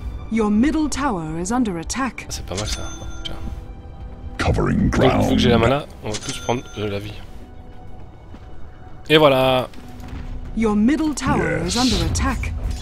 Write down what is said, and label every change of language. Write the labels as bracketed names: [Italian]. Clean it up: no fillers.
[English] Your middle tower is under attack. [French] Ah, c'est pas mal ça. Tiens. [English] Covering ground. [French] Donc, vu que j'ai la mana, on va tous prendre de la vie. Et voilà. [English] Your middle tower is under attack.